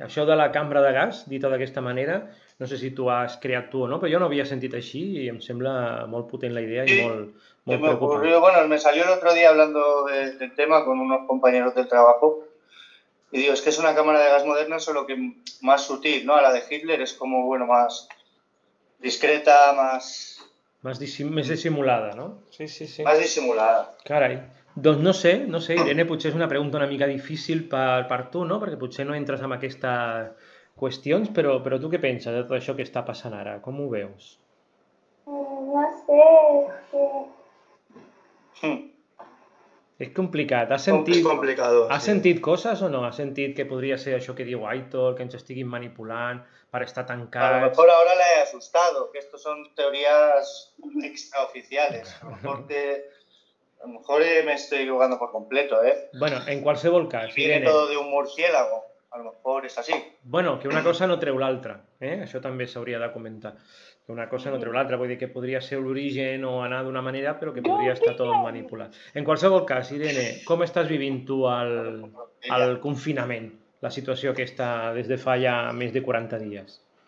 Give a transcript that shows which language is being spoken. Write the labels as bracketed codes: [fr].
[ca] Això de la cambra de gas, dita d'aquesta manera, no sé si tu has creat tu o no, però jo no havia sentit així i em sembla molt potent la idea i molt, molt preocupant. [es] Ocurrió, bueno, me salió el otro día hablando del tema con unos compañeros del trabajo. Y digo, es que es una cámara de gas moderna, solo que más sutil, ¿no? A la de Hitler es como, bueno, más discreta, más... Más disimulada, ¿no? Sí, sí, sí. Más disimulada. [ca] Caray. Doncs no sé, no sé, Irene, potser és una pregunta una mica difícil per tu, no? Perquè potser no entres en aquestes qüestions, però tu què penses de tot això que està passant ara? Com ho veus? No sé, És complicat. Has sentit, [es] és complicado. [ca] Has sentit coses o no? Has sentit que podria ser això que diu Aitor, que ens estiguin manipulant per estar tancats? [es] A lo mejor ahora le he asustado, que esto son teorías extraoficiales. A lo mejor me estoy equivocando por completo, ¿eh? [ca] Bueno, en qualsevol cas, [es] viene Irene. Viene todo de un murciélago. A lo mejor es así. [ca] Bueno, que una cosa no treu l'altra, ¿eh? Això també s'hauria de comentar. Una cosa no treu l'altra, vull dir que podria ser l'origen o anar d'una manera, però que podria estar tot manipulat. En qualsevol cas, Irene, com estàs vivint tu el confinament, la situació que està des de fa ja més de 40 dies?